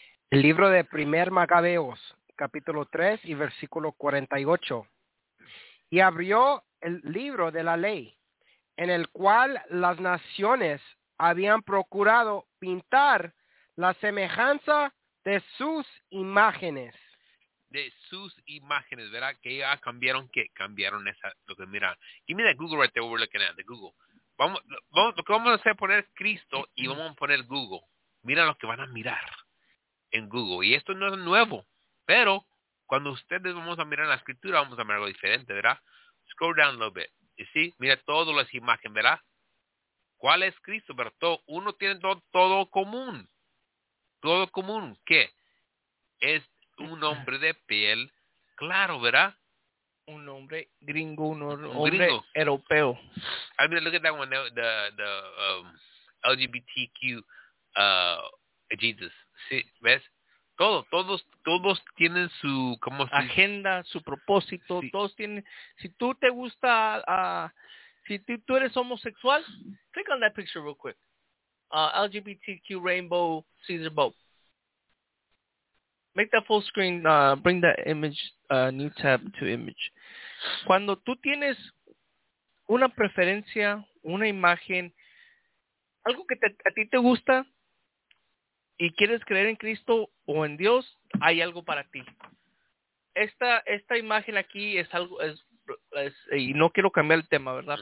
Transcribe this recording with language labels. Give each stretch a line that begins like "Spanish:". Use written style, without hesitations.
Spanish: El libro de Primer Macabeos, capítulo 3 y versículo 48. Y abrió el libro de la ley, en el cual las naciones habían procurado pintar la semejanza de sus imágenes. De sus imágenes, ¿verdad? Que ya cambiaron esa, lo que mira.
English: Give me that Google right there, what we're looking at, the Google.
Spanish: Vamos a hacer poner Cristo y vamos a poner Google. Mira lo que van a mirar en Google. Y esto no es nuevo, pero cuando ustedes vamos a mirar en la escritura, vamos a mirar algo diferente, ¿verdad?
English: Scroll down a little bit.
Spanish: ¿Y sí? Mira todas las imágenes, ¿verdad? ¿Cuál es Cristo? Pero todo, uno tiene todo común. Todo común. ¿Qué? Es un hombre de piel claro, ¿verdad? Un hombre gringo, un hombre gringo. Europeo.
English: I mean, look at that one, the LGBTQ Jesus.
Spanish: Sí, ¿ves? Todos tienen su, ¿cómo se dice? Agenda, su propósito, sí. Todos tienen, si tú te gusta, si tú eres homosexual,
English: click on that picture real quick. LGBTQ Rainbow Caesar Boat. Make that full screen, bring that image, new tab to image.
Spanish: Cuando tú tienes una preferencia, una imagen, algo que a ti te gusta y quieres creer en Cristo o en Dios, hay algo para ti. Esta imagen aquí es algo, y no quiero cambiar el tema, ¿verdad?